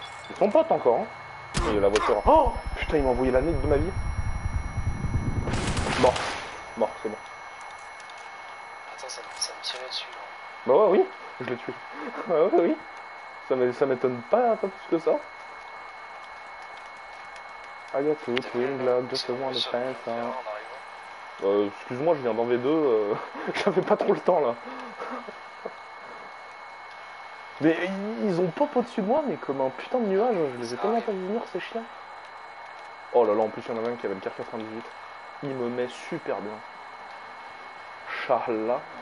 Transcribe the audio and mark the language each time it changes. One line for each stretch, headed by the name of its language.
French: Ils sont potes encore. Hein. Il y a la voiture. Oh putain, il m'a envoyé la nuque de ma vie. Mort. Mort, c'est bon. Attends, ça me tirait dessus. Là. Bah ouais, oui. Je l'ai tué. Bah ouais, oui. Ça m'étonne pas, hein, pas plus que ça.
English: I got to win, Glock, just want the chance.
French: Hein. Excuse-moi, je viens d'en V2, j'avais pas trop le temps là. Mais ils ont pop au-dessus de moi, mais comme un putain de nuage, je les ai tellement pas vu venir ces chiens. Oh là là, en plus, il y en avait un qui avait le car 98. Il me met super bien. Chala.